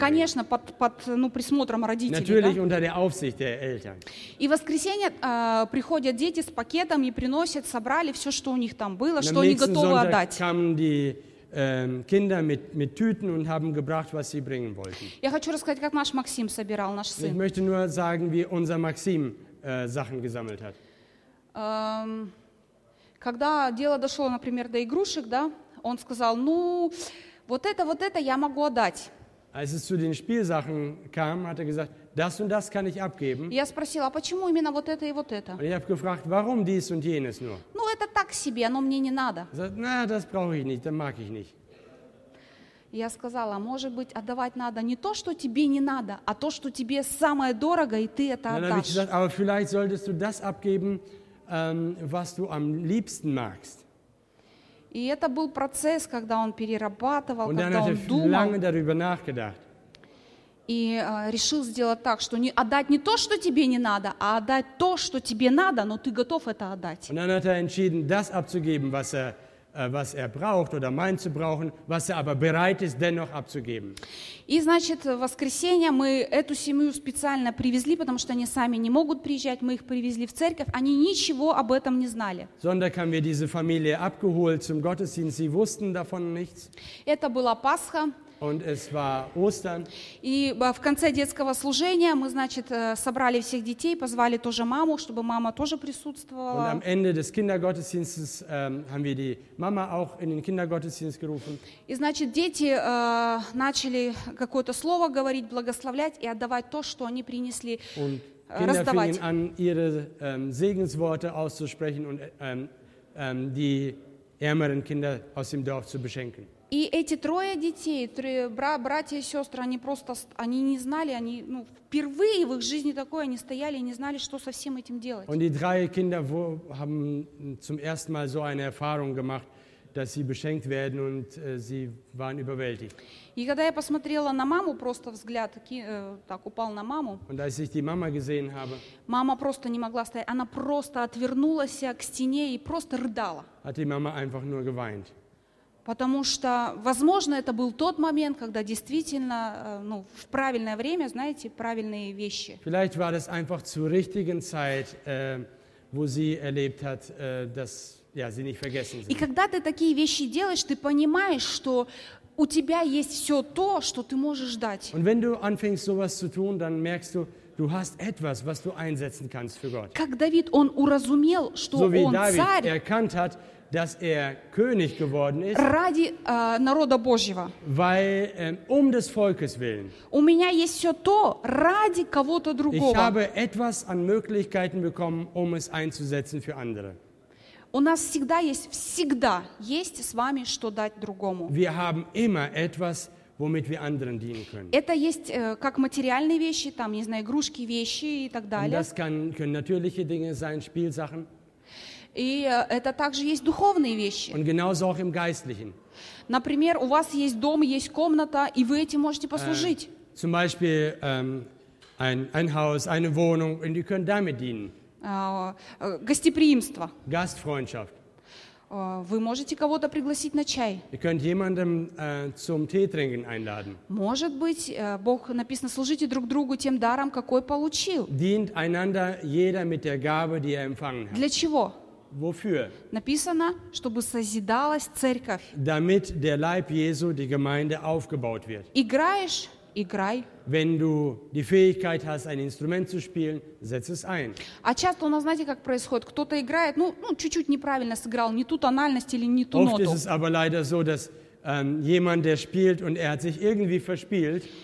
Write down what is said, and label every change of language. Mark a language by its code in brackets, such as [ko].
[ru] Конечно, под присмотром родителей. [de] Natürlich, [ru] да? [de] Unter der Aufsicht der Eltern. [ru] И в воскресенье приходят дети с пакетом и приносят, собрали все, что у них там было, [de] und [ru] что они готовы [de] Sonntag [ru] отдать. [de] Am nächsten Sonntag kamen die Kinder mit Tüten und haben gebracht, was sie bringen wollten. [ru] Я хочу рассказать, как наш Максим собирал, наш сын. [de] Ich möchte nur sagen, wie unser Максим Sachen gesammelt hat. [ru] Когда дело дошло, например, до игрушек, да, он сказал: ну, вот это я могу отдать. [de] Als es zu den Spielsachen kam, hat gesagt, das und das kann ich abgeben. [ru] Я спросила, а почему именно вот это и вот это? [de] Und ich habe gefragt, warum dies und jenes nur? [ru] Ну, это так себе, оно мне не надо. [de] Sagt, na, das brauche ich nicht, das mag ich nicht. [ru] Я сказала, может быть, отдавать надо не то, что тебе не надо, а то, что тебе самое дорогое, и ты это отдашь. [de] Dann habe ich gesagt, aber vielleicht solltest du das abgeben, was du am liebsten magst. [ru] И это был процесс, когда он перерабатывал, [de] und [ru] когда он думал. [de] Lange darüber nachgedacht. [ru] И решил сделать так, что не отдать не то, что тебе не надо, а отдать то, что тебе надо, но ты готов это отдать. [de] Und dann hat er entschieden, das abzugeben, was er braucht oder meint zu brauchen, was er aber bereit ist, dennoch abzugeben. [ru] И, значит, в воскресенье мы эту семью специально привезли, потому что они сами не могут приезжать, мы их привезли в церковь, они ничего об этом не знали. [de] Sonntag haben wir diese Familie abgeholt zum Gottesdienst, sie wussten davon nichts. [ru] Это была Пасха. [de] Und es war Ostern. [ru] И в конце детского служения мы, значит, собрали всех детей, позвали тоже маму, чтобы мама тоже присутствовала. [de] Und am Ende des Kindergottesdienstes haben wir die Mama auch in den Kindergottesdienst gerufen. [ru] И, значит, дети начали какое-то слово говорить, благословлять и отдавать то, что они принесли, [de] und Kinder [ru] раздавать. [de] Fingen an, ihre Segensworte auszusprechen und die ärmeren Kinder aus dem Dorf zu beschenken. [ru] И эти трое детей, братья и сестры, они просто, они не знали, они, ну, впервые в их жизни такое, они стояли и не знали, что со всем этим делать. [de] Und die drei Kinder haben zum ersten Mal so eine Erfahrung gemacht, dass sie beschenkt werden und sie waren überwältigt. [ru] И когда я посмотрела на маму, просто взгляд так упал на маму. [de] Und als ich die Mama gesehen habe, [ru] мама просто не могла стоять, она просто отвернулась к стене и просто рыдала. [de] Hat die Mama einfach nur geweint. [ru] Потому что, возможно, это был тот момент, когда действительно, ну, в правильное время, знаете, правильные вещи. [de] Vielleicht war das einfach zur richtigen Zeit, wo sie erlebt hat, dass, ja, sie nicht vergessen sind. [ru] И когда ты такие вещи делаешь, ты понимаешь, что у тебя есть все то, что ты можешь дать. [de] Und wenn du anfängst, sowas zu tun, dann merkst du, du hast etwas, was du einsetzen kannst für Gott. [ru] Как Давид, он уразумел, что [de] so [ru] он [de] David [ru] царь. [de] Erkannt hat, dass er König geworden ist, [ru] ради народа Божьего. [de] Weil, des Volkes willen. [ru] У меня есть все то, ради кого-то другого. [de] Ich habe etwas an Möglichkeiten bekommen, es einzusetzen für andere. [ru] У нас всегда есть с вами что дать другому. [de] Wir haben immer etwas, womit wir anderen dienen können. [ru] Это есть как материальные вещи, там, не знаю, игрушки, вещи и так далее. [de] Und das können natürliche Dinge sein, Spielsachen. [ru] И это также есть духовные вещи. [de] Und genauso auch im Geistlichen. [ru] Например, у вас есть дом, есть комната, и вы этим можете послужить. [de] Zum Beispiel ein Haus, eine Wohnung, und ihr könnt damit dienen. [ru] Гостеприимство. [de] Gastfreundschaft. [ru] Вы можете кого-то пригласить на чай. [de] Ihr könnt jemanden zum Tee trinken einladen. [ru] Может быть, Бог написано, служите друг другу тем даром, какой получил. [de] Dient einander jeder mit der Gabe, die er empfangen hat. [ru] Для чего? [de] Wofür? [ru] Написано, чтобы созидалась церковь. [de] Damit der Leib Jesu, die Gemeinde, aufgebaut wird. [ru] Играешь, играй. [de] Wenn du die Fähigkeit hast, ein Instrument zu spielen, setz es ein. [ru] А часто у нас, знаете, как происходит? Кто-то играет, ну, чуть-чуть неправильно сыграл, не ту тональность или не ту [de] Oft [ru] ноту. [de] Oft ist es aber leider so, dass jemand, der spielt, und er hat sich irgendwie verspielt.